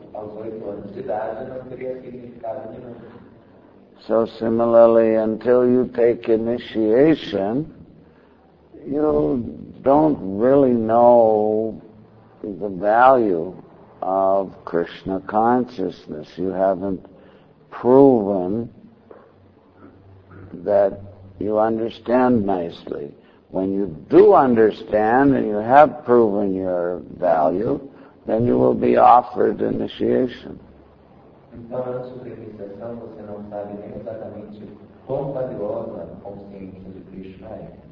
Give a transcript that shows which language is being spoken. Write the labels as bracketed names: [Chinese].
[Portuguese] Aos 8 anos de idade não teria significado nenhum. [English] So similarly, until you take initiation, you don't really know the value of Krishna consciousness. You haven't proven that you understand nicely. When you do understand and you have proven your value, then you will be offered initiation. [Portuguese] Então, antes da iniciação, você não sabe nem exatamente quão valiosa a consciência de Krishna é.